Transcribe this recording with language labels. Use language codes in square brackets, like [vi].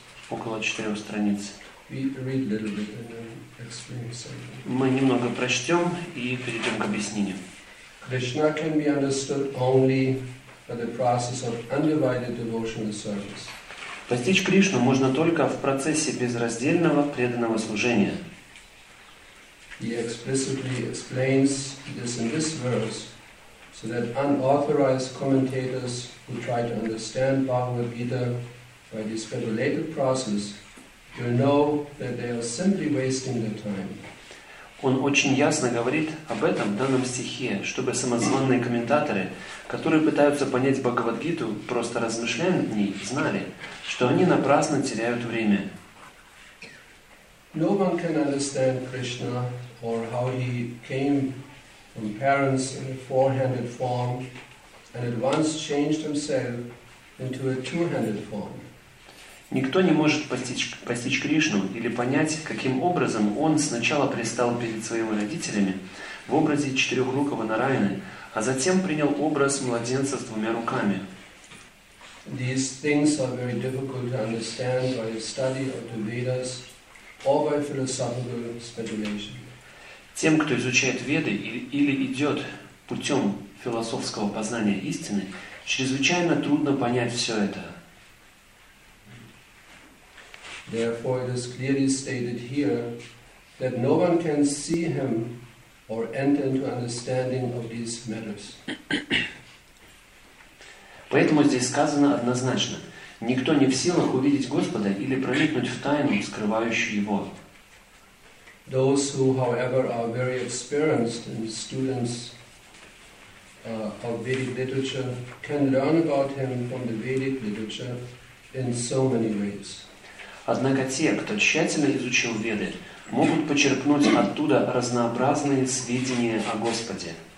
[ru] Около 4 страниц. Мы немного прочтем и перейдем к объяснению. [en] Кришна can be understood only by the process of undivided devotional service. [ru] Постичь Кришну можно только в процессе безраздельного преданного служения. [en] He explicitly explains this in this verse, so that unauthorized commentators who try to understand Bhagavad Gita by this speculative process will know that they are simply wasting their time. [ru] Он очень ясно говорит об этом в данном стихе, чтобы самозванные комментаторы, которые пытаются понять Бхагавад-гиту, просто размышляя над ней, знали, что они напрасно теряют время. [en] No one can understand Krishna or how he came from parents in a four-handed form and at once changed himself into a two-handed form. [ru] Никто не может постичь Кришну или понять, каким образом он сначала предстал перед своими родителями в образе четырехрукого Нараяны, а затем принял образ младенца с двумя руками. [en] These things are very difficult to understand by the study of the Vedas or by philosophical speculation. [ru] Тем, кто изучает Веды или идет путем философского познания истины, чрезвычайно трудно понять все это. [en] Therefore, it is clearly stated here that no one can see him or enter into understanding of these matters. [ru] Поэтому здесь сказано однозначно: никто не в силах увидеть Господа или проникнуть в тайну, скрывающую Его. [en] Those who, however, are very experienced and students of Vedic literature can learn about him from the Vedic literature in so many ways. [ru] Однако те, кто тщательно изучил Веды, могут почерпнуть оттуда разнообразные сведения о Господе.